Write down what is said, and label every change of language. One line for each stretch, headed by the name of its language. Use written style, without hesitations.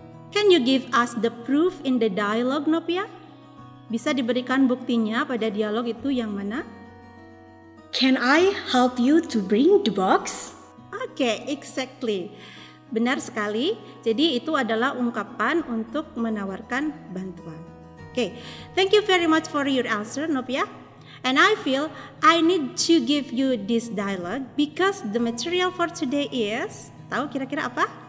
English: Can you give us the proof in the dialogue, Nopia?
Indonesian: Bisa diberikan buktinya pada dialog itu yang mana?
English: Can I help you to bring the box? Okay, exactly.
Indonesian: Benar sekali. Jadi itu adalah ungkapan untuk menawarkan bantuan.
English: Okay, thank you very much for your answer, Nopia. And I feel I need to give you this dialogue because the material for today is,
Indonesian: tahu kira-kira apa?